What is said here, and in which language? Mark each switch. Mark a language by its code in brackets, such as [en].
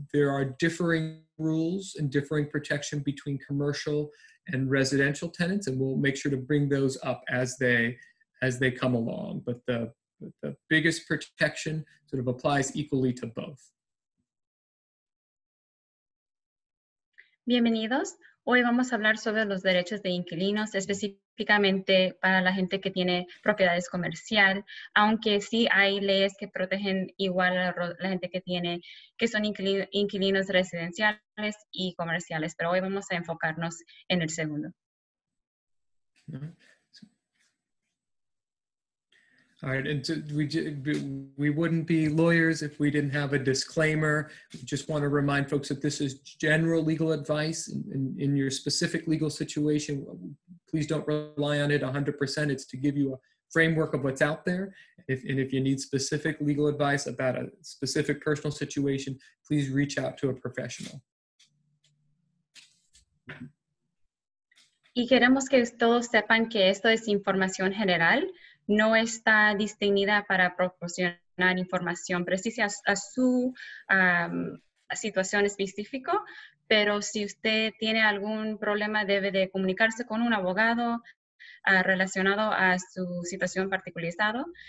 [en] There are differing rules and differing protection between commercial and residential tenants, and we'll make sure to bring those up as they come along. But the biggest protection sort of applies equally to both. [es] Bienvenidos. Hoy vamos a hablar sobre los derechos de inquilinos, específicamente para la gente que tiene propiedades comercial, aunque sí hay leyes que protegen igual a la gente que son inquilinos residenciales y comerciales, pero hoy vamos a enfocarnos en el segundo. [en] All right, and we wouldn't be lawyers if we didn't have a disclaimer. We just want to remind folks that this is general legal advice in your specific legal situation. Please don't rely on it 100%. It's to give you a framework of what's out there. If you need specific legal advice about a specific personal situation, please reach out to a professional. [es] Y queremos que todos sepan que esto es información general. No está distinguida para proporcionar información precisa a su situación específica, pero si usted tiene algún problema, debe de comunicarse con un abogado relacionado a su situación particularizada.